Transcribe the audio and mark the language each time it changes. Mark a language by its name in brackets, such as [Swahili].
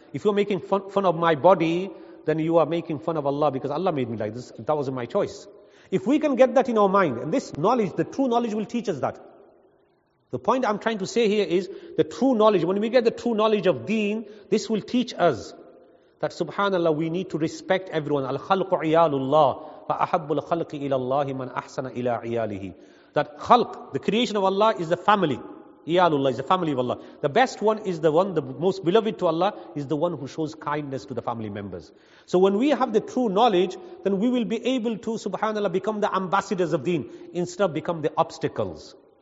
[English] If you're making fun of my body, then you are making fun of Allah, because Allah made me like this. That wasn't my choice. If we can get that in our mind, and this knowledge, the true knowledge will teach us that. The point I'm trying to say here is the true knowledge. When we get the true knowledge of deen, this will teach us that subhanallah, we need to respect everyone. [Arabic] Al-khalqu iyalullah. فأحب الخلق إلى الله من أحسن إلى عياله. [English] That khalq, the creation of Allah, is the family. Iyalullah is the family of Allah. The best one is the one, the most beloved to Allah, is the one who shows kindness to the family members. So when we have the true knowledge, then we will be able to, subhanAllah, become the ambassadors of deen, instead of become the obstacles.